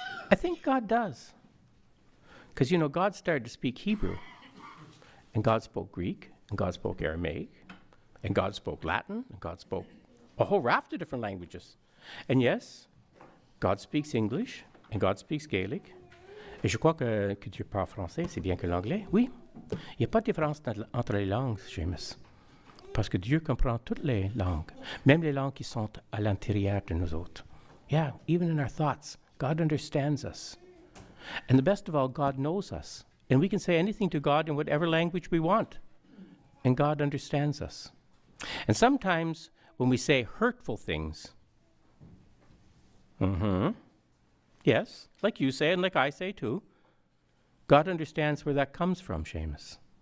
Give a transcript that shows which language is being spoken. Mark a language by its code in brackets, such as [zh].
[en] I think God does. Because, you know, God started to speak Hebrew, and God spoke Greek, and God spoke Aramaic. And God spoke Latin, and God spoke a whole raft of different languages. And yes, God speaks English, and God speaks Gaelic. [fr] Et je crois que tu parles français, c'est bien que l'anglais. Oui, il n'y a pas de différence entre les langues, James. Parce que Dieu comprend toutes les langues, même les langues qui sont à l'intérieur de nous autres. [en] Yeah, even in our thoughts, God understands us. And the best of all, God knows us. And we can say anything to God in whatever language we want. And God understands us. And sometimes when we say hurtful things, yes, like you say and like I say too, God understands where that comes from, Seamus.